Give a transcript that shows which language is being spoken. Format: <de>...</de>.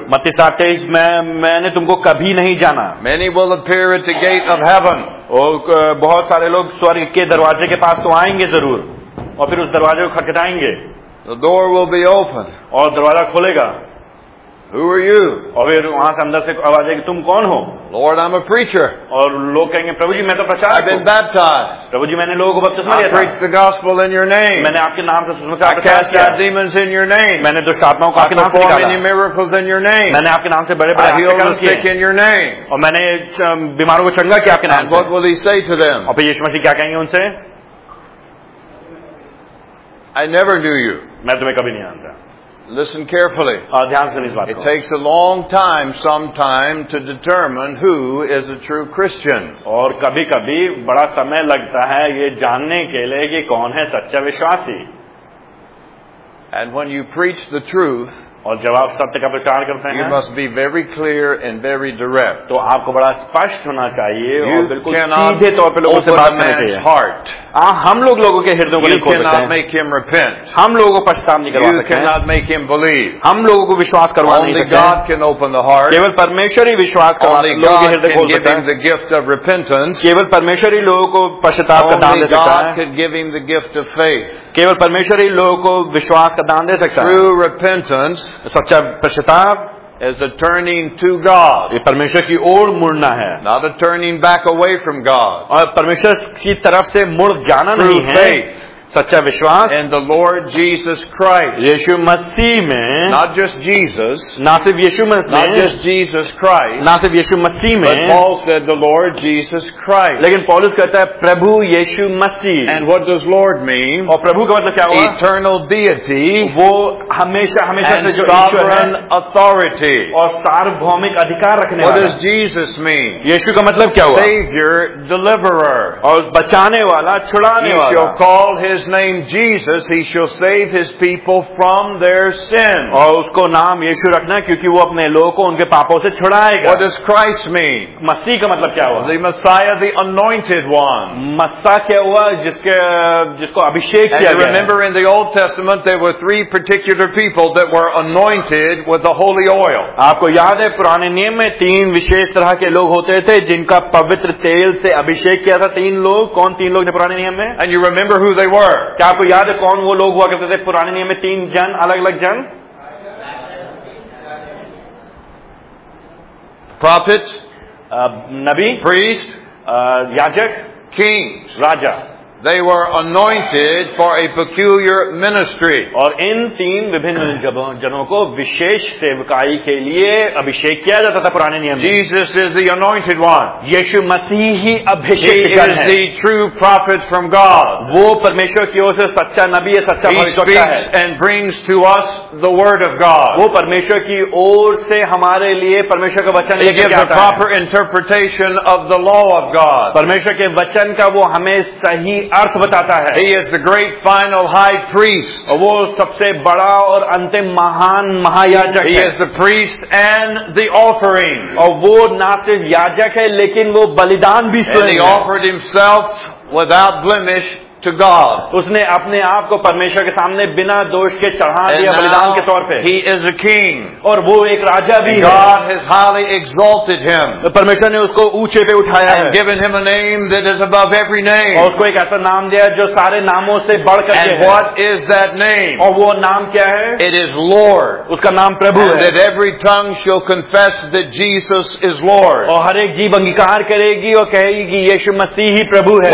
<hi>मत्ती 27 में मैंने तुमको कभी नहीं जाना</hi> <en>many will appear at the gate of heaven</en> <hi>और बहुत सारे लोग स्वर्ग के दरवाजे के पास तो आएंगे जरूर और फिर उस दरवाजे को खटखटाएंगे</hi> <en>the door will be open</en> <hi>और दरवाजा खुलेगा</hi> <en>Who are you?</en> <hi>अबेर वहाँ से अंदर से आवाज आएगी तुम कौन हो?</hi> <en>Lord, I'm a preacher.</en> <hi>और लोग कहेंगे प्रभु जी मैं तो प्रचारक हूँ.</hi> <en>I've been baptized.</en> <hi>प्रभु जी मैंने लोगों को बपतिस्मा दिया.</hi> <en>I preach the gospel in your name.</en> <hi>मैंने आपके नाम से सुसमाचार प्रचार किया.</hi> <en>I cast out demons in your name.</en> <hi>मैंने दुष्टात्माओं को आपके नाम से निकाला.</hi> <en>I perform many miracles in your name.</en> <hi>मैंने आपके नाम से बड़े-बड़े कार्य किए.</hi> <en>I heal the sick in your name.</en> <hi>और मैंने बीमारों को चंगा किया आपके नाम से.</hi> <en>What will he say to them?</en> <hi>और फिर यीशु मसीह क्या कहेंगे उनसे?</hi> <en>I never knew you.</en> <hi>मैं तुम्हें कभी नहीं जानता.</hi> <en>Listen carefully. It takes a long time sometime to determine who is a true Christian.</en> <hi>और कभी कभी बड़ा समय लगता है ये जानने के लिए कि कौन है सच्चा विश्वासी.</hi> <en>And when you preach the truth,</en> <hi>और जब आप सत्य का प्रचार करते हैं,</hi> <en>you must be very clear and very direct.</en> <hi>तो आपको बड़ा स्पष्ट होना चाहिए और बिल्कुल सीधे तौर पे लोगों से बात करनी चाहिए.</hi> <en>Heart.</en> <hi>हम लोग लोगों के हृदयों को नहीं खोल सकते.</hi> <en>You cannot make him repent.</en> <hi>हम लोगों को पछताना नहीं करवा सकते.</hi> <en>You cannot make him believe.</en> <hi>हम लोगों को विश्वास करवा नहीं सकते.</hi> <en>Only God can open the heart.</en> <hi>केवल परमेश्वर ही विश्वास करवा सकता है.</hi> <en>Only God can give him the gift of repentance.</en> <hi>केवल परमेश्वर ही लोगों को पछताव का दान दे सकता है.</hi> <en>Only God can give him the gift of faith.</en> <hi>केवल परमेश्वर ही लोगों को विश्वास का दान दे सकता है.</hi> <en>True repentance.</en> <hi>सच्चा पश्चाताप</hi> <en>is a turning to God.</en> <hi>ये परमेश्वर की ओर मुड़ना है.</hi> <en>Not a turning back away from God.</en> <hi>और परमेश्वर की तरफ से मुड़ जाना नहीं है. सच्चा विश्वास</hi> <en>in the Lord Jesus Christ.</en> <hi>यीशु मसीह में.</hi> <en>Not just Jesus.</en> <hi>ना सिर्फ यीशु मसीह.</hi> <en>Not just Jesus Christ.</en> <hi>ना सिर्फ यीशु मसीह में.</hi> <en>But Paul said the Lord Jesus Christ.</en> <hi>लेकिन पौलुस कहता है प्रभु यीशु मसीह.</hi> <en>And what does Lord mean?</en> <hi>और प्रभु का मतलब क्या हुआ?</hi> <en>Eternal deity.</en> <hi>वो हमेशा हमेशा से जो ईश्वर है.</hi> <en>And sovereign authority.</en> <hi>और सार्वभौमिक अधिकार रखने वाला.</hi> <en>What does Jesus mean?</en> <hi>यीशु का मतलब क्या हुआ?</hi> <en>Savior, deliverer.</en> <hi>और बचाने वाला, छुड़ाने वाला.</hi> <en>If you call his His name Jesus, he shall save his people from their sin.</en> <hi>और उसको नाम यीशु रखना क्योंकि वो अपने लोगों को उनके पापों से छुड़ाएगा.</hi> <en>What does Christ mean?</en> <hi>मसीह का मतलब क्या हुआ?</hi> <en>The Messiah, the Anointed One.</en> <hi>मसीह क्या हुआ? जिसके जिसको अभिषेक किया गया.</hi> <en>And remember, in the Old Testament, there were three particular people that were anointed with the holy oil.</en> <hi>आपको याद है पुराने नियम में तीन विशेष तरह के लोग होते थे जिनका पवित्र तेल से अभिषेक किया था. तीन लोग कौन? तीन लोग थे पुराने नियम में.</hi> <en>And you remember who they</en> <hi>क्या आपको याद है कौन वो लोग हुआ करते थे पुराने नियम में तीन जन अलग अलग जन</hi> <en>prophet</en> <hi>नबी</hi> <en>priest</en> <hi>याजक</hi> <en>king</en> <hi>Raja</hi> <en>They were anointed for a peculiar ministry.</en> <hi>और इन तीन विभिन्न जनों को विशेष सेवकाई के लिए अभिषेक किया जाता था पुराने नियम में.</hi> <en>Jesus is the anointed one.</en> <hi>यीशु मसीह ही अभिषेक करते हैं.</hi> <en>He is the true prophet from God.</en> <hi>वो परमेश्वर की ओर से सच्चा नबी है, सच्चा भविष्यवक्ता है.</hi> <en>He speaks and brings to us the word of God.</en> <hi>वो परमेश्वर की ओर से हमारे लिए परमेश्वर का वचन लेकर आता है.</hi> <en>He gives a proper interpretation of the law of God.</en> <hi>परमेश्वर के वचन का वो हमें सही अर्थ बताता है.</hi> <en>He is the great final high priest.</en> <hi>वो सबसे बड़ा और अंतिम महान महायाजक है.</hi> <en>He is the priest and the offering.</en> <hi>और वो ना सिर्फ याजक है लेकिन वो बलिदान भी स्वयं है.</hi> <en>He offered himself without blemish to God.</en> <hi>उसने अपने आप को परमेश्वर के सामने बिना दोष के चढ़ा दिया बलिदान के तौर पे.</hi> <en>He is a king.</en> <hi>और वो एक राजा भी.</hi> <en>God has highly exalted him.</en> <hi>परमेश्वर ने उसको ऊंचे पे उठाया है.</hi> <en>Given him a name that is above every name.</en> <hi>और उसको एक ऐसा नाम दिया जो सारे नामों से बढ़कर है.</hi> <en>What is that name?</en> <hi>और वो नाम क्या है?</hi> <en>It is Lord.</en> <hi>उसका नाम प्रभु है.</hi> <en>That every tongue shall confess that Jesus is Lord.</en> <hi>और हर एक जीभ अंगीकार करेगी और कहेगी कि यीशु मसीह ही प्रभु है.</hi>